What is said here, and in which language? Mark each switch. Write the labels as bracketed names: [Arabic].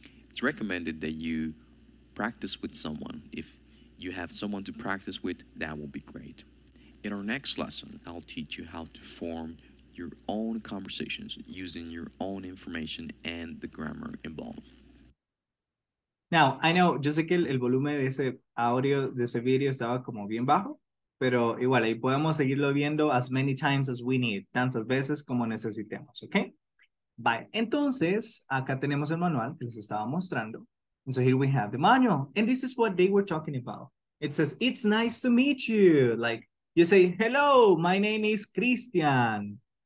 [English] It's recommended that you practice with someone. If you have someone to practice with, that will be great. In our next lesson, I'll teach you how to form your own conversations using your own information and the grammar involved. Now, I know, [Spanish] yo sé que el volumen de ese audio, de ese video estaba como bien bajo, pero igual ahí podemos seguirlo viendo [English] as many times as we need, [Spanish] tantas veces como necesitemos, ¿ok? Vale, entonces, acá tenemos el manual que les estaba mostrando. [English] And so here we have the manual. And this is what they were talking about. It says, it's nice to meet you. Like, you say, hello, my name is Christian.